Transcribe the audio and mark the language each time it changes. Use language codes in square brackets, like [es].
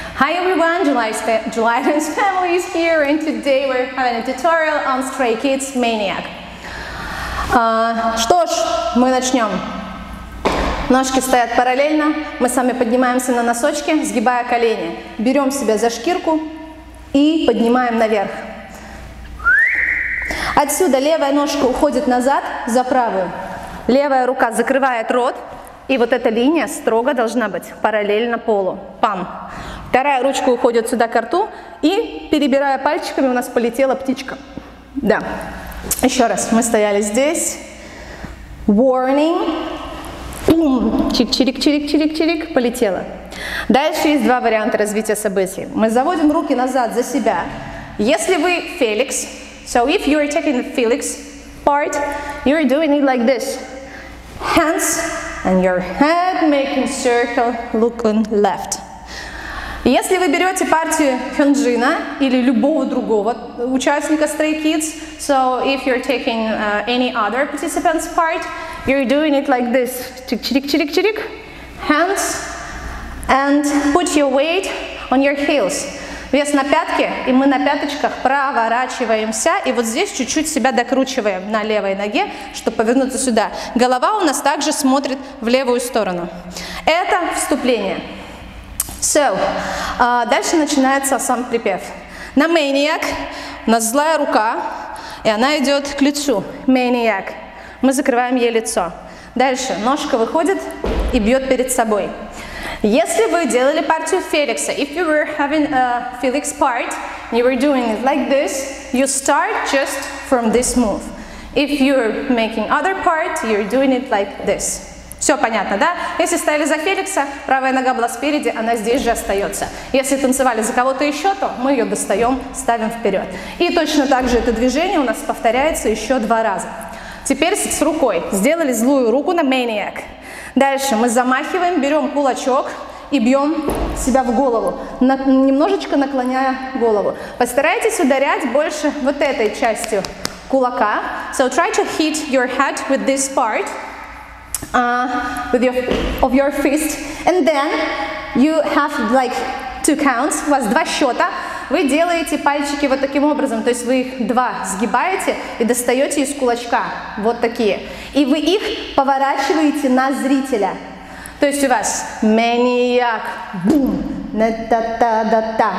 [en] Hi everyone, July Dance Family is here, and today we're having a tutorial on Stray Kids Maniac. [ru] Что ж, мы начнем. Ножки стоят параллельно, мы сами поднимаемся на носочки, сгибая колени. Берем себя за шкирку и поднимаем наверх. Отсюда левая ножка уходит назад за правую. Левая рука закрывает рот. И вот эта линия строго должна быть параллельно полу. Пам. Вторая ручка уходит сюда ко рту. И, перебирая пальчиками, у нас полетела птичка. Да. Еще раз. Мы стояли здесь. Warning. Чирик-чирик-чирик-чирик-чирик. Полетела. Дальше есть два варианта развития событий. Мы заводим руки назад за себя. Если вы Felix, [en] so if you are taking the Felix part, you are doing it like this. Hands and your head making circle, look on left. [ru] Если вы берете партию Хёнджина или любого другого участника Stray Kids, [en] so if you're taking any other participant's part, you're doing it like this. Чирик-чирик-чирик. Hands and put your weight on your heels. [ru] Вес на пятке, и мы на пяточках проворачиваемся, и вот здесь чуть-чуть себя докручиваем на левой ноге, чтобы повернуться сюда. Голова у нас также смотрит в левую сторону. Это вступление. So, дальше начинается сам припев. На maniac, у нас злая рука, и она идет к лицу. Maniac. Мы закрываем ей лицо. Дальше ножка выходит и бьет перед собой. Если вы делали партию Феликса, [en] if you were having a Felix part, you were doing it like this, you start just from this move. If you're making other part, you're doing it like this. [ru] Все понятно, да? Если стояли за Феликса, правая нога была спереди, она здесь же остается. Если танцевали за кого-то еще, то мы ее достаем, ставим вперед. И точно так же это движение у нас повторяется еще два раза. Теперь с рукой. Сделали злую руку на maniac. Дальше мы замахиваем, берем кулачок и бьем себя в голову, немножечко наклоняя голову. Постарайтесь ударять больше вот этой частью кулака. [en] So try to hit your head with this part of your fist. And then you have like two counts, [ru] у вас два счета. Вы делаете пальчики вот таким образом, то есть вы их два сгибаете и достаете из кулачка, вот такие. И вы их поворачиваете на зрителя. То есть у вас маньяк, бум, на-та-та-да-та.